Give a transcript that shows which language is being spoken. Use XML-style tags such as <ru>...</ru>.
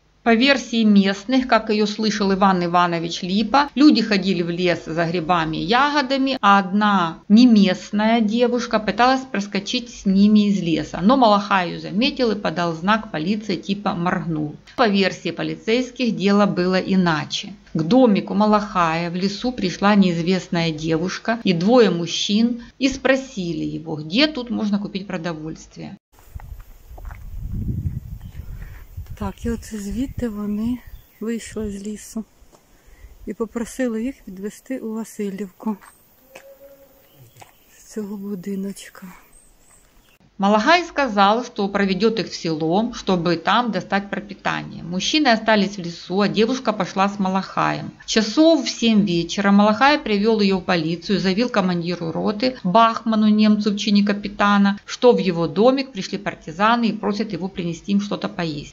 <ru>По версии местных, как ее слышал Иван Иванович Липа, люди ходили в лес за грибами и ягодами, а одна неместная девушка пыталась проскочить с ними из леса, но Малахай ее заметил и подал знак полиции, типа моргнул. По версии полицейских, дело было иначе. К домику Малахая в лесу пришла неизвестная девушка и двое мужчин и спросили его, где тут можно купить продовольствие.</ru> <uk>Так, і от звідти вони вийшли з лісу. і попросила їх відвезти у Васильівку з цього будиночка.</uk> <ru>Малагай сказал, что проведет их в село, чтобы там достать пропитание. Мужчины остались в лесу, а девушка пошла с Малахаем. Часов в 7 вечера Малахай привел ее в полицию, заявил командиру роты, Бахману, немцу в чине капитана, что в его домик пришли партизаны и просят его принести им что-то поесть.</ru>